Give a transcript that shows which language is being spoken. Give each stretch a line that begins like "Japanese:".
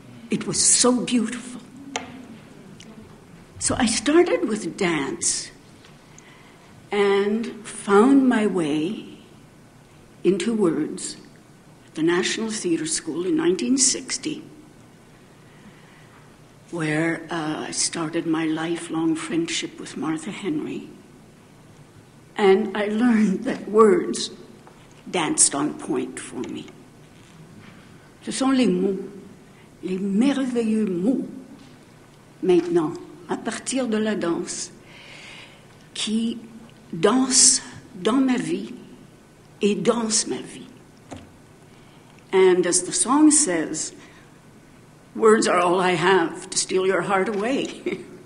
English: It was so beautiful. So I started with dance and found my way into words at the National Theatre School in 1960, where I started my lifelong friendship with Martha Henry. And I learned that words danced on point for me.
French: Ce sont les mots, les merveilleux mots, maintenant, à partir de la danse, qui dansent dans ma vie et dansent ma vie.
English: And as the song says, words are all I have to steal your heart away.